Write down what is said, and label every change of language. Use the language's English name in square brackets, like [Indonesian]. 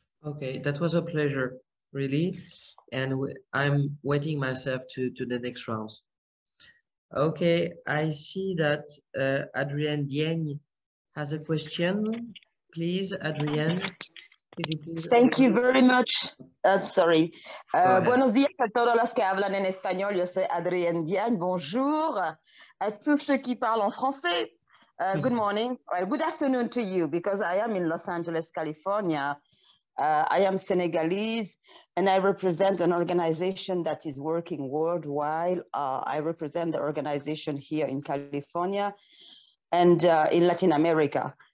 [English] Okay, that was a pleasure, really. And I'm waiting myself to the next rounds. Okay, I see that Adrienne Dieng has a question. Please, Adrienne. Thank you very much. Sorry. [Spanish] Buenos días a todos los que hablan en español. Yo soy Adrienne Dieng. [French] Bonjour à tous ceux qui parlent en français. [English] Good morning. Well, good afternoon to you, because I am in Los Angeles, California. I am Senegalese, and I represent an organization that is working worldwide. I represent the organization here in California and in Latin America.